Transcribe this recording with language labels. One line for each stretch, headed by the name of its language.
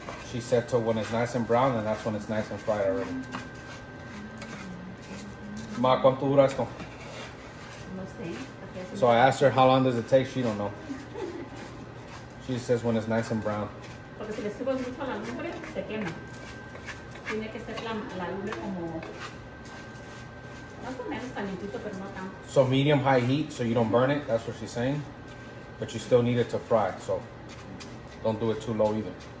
English: She said to when it's nice and brown, and that's when it's nice and fried already.
Spanish: Ma, ¿cuánto dura esto? No sé.
English: So I asked her, how long does it take? She don't know. She says when it's nice and brown.
Spanish: Porque si le subes mucho a la lumbre, se quema. Tiene que ser la lumbre como... Más o menos calientito, pero no tanto.
English: So medium high heat, so you don't burn it. That's what she's saying. But you still need it to fry, so don't do it too low either.